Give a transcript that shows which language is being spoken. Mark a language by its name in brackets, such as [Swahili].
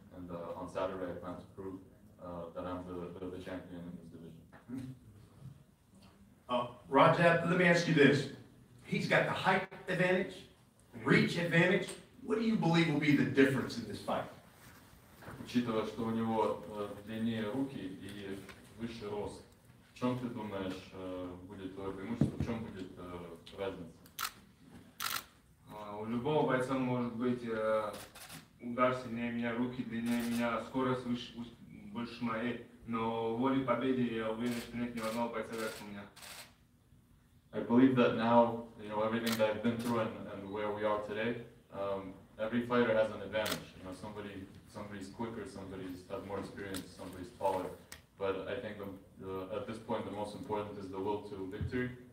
[English] And on Saturday, I plan to prove that I'm the champion in this division. Rajab, let me ask you this. He's got the height advantage, reach advantage. What do you believe will be the difference in this fight? [Russian] Учитывая, что у него длиннее руки и выше рост, в чем ты думаешь будет твое преимущество, в чем будет разница? У любого бойца может быть удар сильнее меня, руки длиннее меня, скорость выше, больше моей, но воли победы я уверен, что нет ни одного бойца как у меня. [English] I believe that now, you know, everything that I've been through and where we are today, every fighter has an advantage. You know, somebody's quicker, somebody's had more experience, somebody's taller. But I think at this point, the most important is the will to victory.